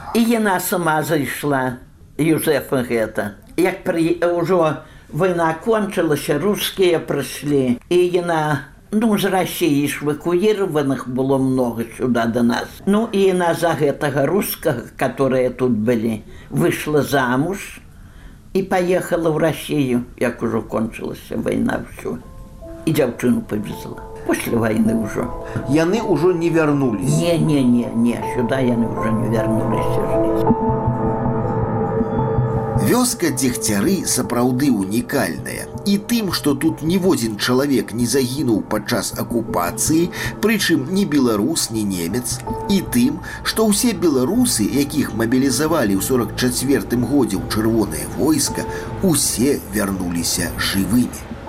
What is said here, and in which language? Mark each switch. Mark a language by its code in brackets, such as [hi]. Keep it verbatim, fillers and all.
[be] И яна сама зайшла, Юзефа гэта. Як при... [ru] уже война кончилася, русские пришли, и яна... Ну, з России ж эвакуированных было много сюда до нас. Ну, и она за этого русского, которые тут были, вышла замуж и поехала в Россию, как уже кончилась война всю. И девчину повезла. После войны уже. Яны уже не вернулись? Не, не, не, не, сюда яны уже не вернулись. [be] Вёска Дзегцяры сапраўды унікальная і тым, што тут ніводзін чалавек не загінуў падчас акупацыі, прычым ні беларус, ні немец, і тым, што ўсе беларусы, якіх мабілізавалі ў сорак чацвёртым годзе ў чырвонае войска, усе вярнуліся жывымі.